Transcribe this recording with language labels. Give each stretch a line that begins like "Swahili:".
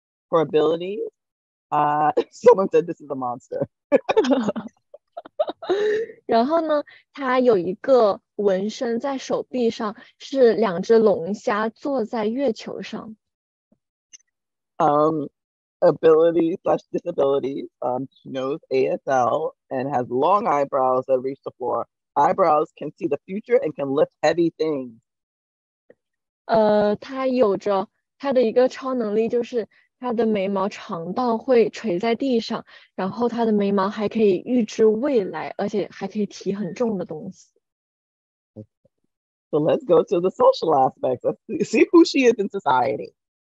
English: Her ability, someone said this is a monster.
Chinese: 然后呢，他有一个纹身在手臂上，是两只龙虾坐在月球上。
English: Ability/disability, she knows ASL and has long eyebrows that reach the floor. Eyebrows can see the future and can lift heavy things.
Chinese: 她有着她的一个超能力，就是她的眉毛长到会垂在地上，然后她的眉毛还可以预知未来，而且还可以提很重的东西。
English: So let's go to the social aspect. Let's see who she is in society.